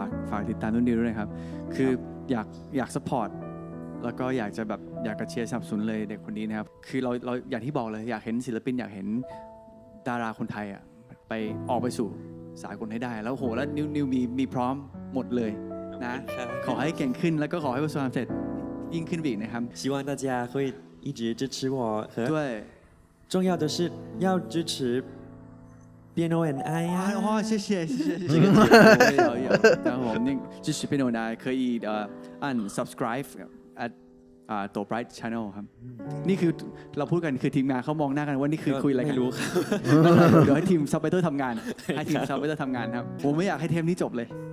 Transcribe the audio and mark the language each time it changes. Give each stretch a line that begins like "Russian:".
Thai: ฝากติดตามนุ่นดีด้วยครับคืออยากสปอร์ตแล้วก็อยากจะแบบอยากกระเชียร์สับสนเลยเด็กคนนี้นะครับคือเราอย่างที่บอกเลยอยากเห็นศิลปินอยากเห็นดาราคนไทยอ่ะไปออกไปสู่สากลให้ได้แล้วโหแล้วนิวมีพร้อมหมดเลยนะขอให้เก่งขึ้นแล้วก็ขอให้ประสบความสำเร็จยิ่งขึ้นอีกนะครับ
Chinese: 希望大家会一直支持我和对重要的是要支持 Piano and I 啊哇谢谢谢谢这个然后我们支持 Piano and I 可以按 subscribe
Thai: ตัว Bright Channel ครับนี่คือเราพูดกันคือทีมงานเขามองหน้ากันว่านี่คือคุยอะไรกัน ไม่รู้ ครับเดี๋ยวให้ทีมซับไตเติ้ลทำงานให้ทีมซับไตเติ้ลทำงานครับผมไม่อยากให้เทมนี้จบเลย